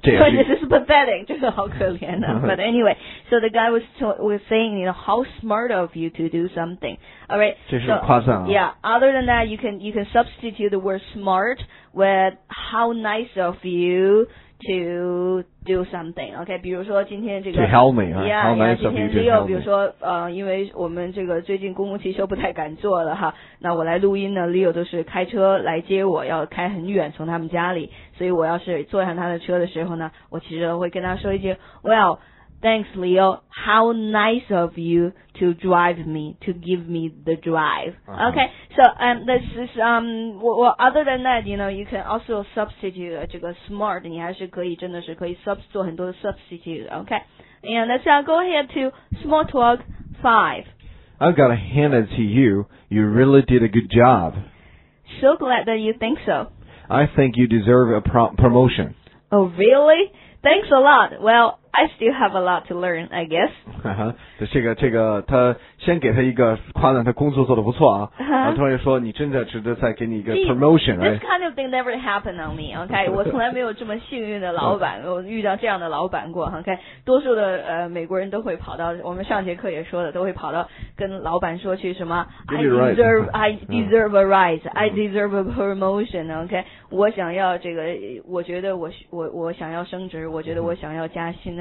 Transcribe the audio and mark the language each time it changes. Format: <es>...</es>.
<en>This is pathetic.</en> <zh>真的好可怜啊。</zh> <en>But anyway, so the guy was saying, you know, how smart of you to do something. All right.</en> <zh>这是夸赞啊。</zh> <en>Yeah, other than that, you can substitute the word smart with how nice of you... To do something, OK?</en> <zh>比如说今天这个</zh> <en>To help me, yeah, how nice of you to help me.</en> <zh>今天 Leo, 比如说因为我们这个最近公共汽车不太敢坐了哈，那我来录音呢 ，Leo 都是开车来接我，要开很远从他们家里，所以我要是坐上他的车的时候呢，我其实会跟他说一句 ，Well,</zh> <en>Thanks, Leo. How nice of you to drive me, to give me the drive. Uh-huh. Okay, so this is, well, other than that, you know, you can also substitute 这个 smart,</en> <zh>你还是可以真的是可以 做很多的</zh> <en>substitute, okay? And let's go ahead to small talk 5. I've got to hand it to you. You really did a good job. So glad that you think so. I think you deserve a promotion. Oh, really? Thanks a lot. Well,I still have a lot to learn, I guess.</en> <zh>哈哈，这个，他先给他一个夸赞，他工作做得不错啊。 Uh-huh. 然后突然说，你真的值得再给你一个 promotion。</zh> <en>This kind of thing never happened on me, okay?</en> <zh>我从来没有这么幸运的老板，我遇到这样的老板过 ，okay? 多数的美国人都会跑到，我们上节课也说的，都会跑到跟老板说去什么 ，</zh> <en>I deserve a rise, I deserve a promotion, okay?</en> <zh>我想要这个，我觉得我想要升职，我觉得我想要加薪。</zh>